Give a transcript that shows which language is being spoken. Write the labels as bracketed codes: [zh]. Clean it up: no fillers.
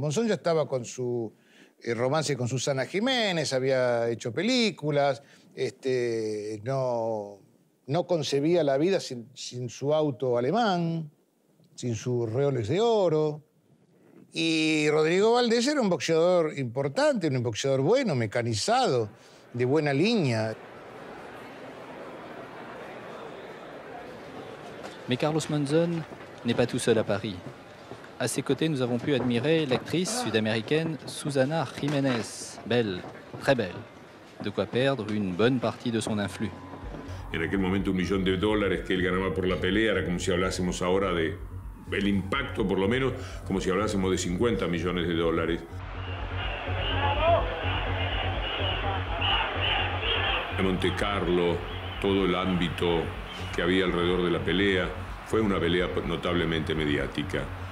[es] Monzón ya estaba con su romance con Susana Jiménez, había hecho películas, no concebía la vida sin su auto alemán, sin su Rolex de oro. Y Rodrigo Valdés era un boxeador importante, un boxeador bueno, mecanizado, de buena línea. [fr] Mais Carlos Monzón n'est pas tout seul à Paris. À ses côtés, nous avons pu admirer l'actrice sud-américaine Susana Jiménez, belle, très belle, de quoi perdre une bonne partie de son influx. [es] En aquel momento $1,000,000 que él ganaba por la pelea era como si hablásemos ahora de el impacto, por lo menos, como si hablásemos de $50,000,000. En Monte Carlo, todo el ámbito que había alrededor de la pelea, fue una pelea notablemente mediática.